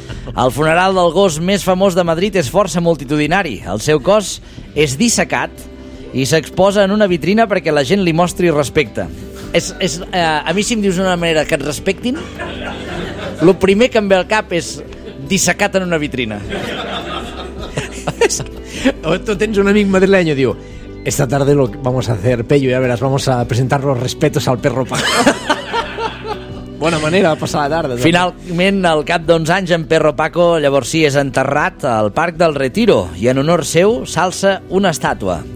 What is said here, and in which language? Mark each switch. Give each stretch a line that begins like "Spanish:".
Catalan: El funeral del gos més famós de Madrid és força multitudinari. El seu cos és dissecat i s'exposa en una vitrina perquè la gent li mostri respecte. A mi, si em dius d'una manera que et respectin, el primer que em ve al cap és dissecat en una vitrina. Tu tens un amic madrileny i diu:
Spanish: esta tarde lo vamos a hacer, Pello, ya verás, vamos a presentar los respetos al Perro Paco.
Catalan: Bona manera de passar la tarda. Doncs. Finalment, al cap d'11 anys, en Perro Paco llavors sí és enterrat al Parc del Retiro i en honor seu s'alça una estàtua.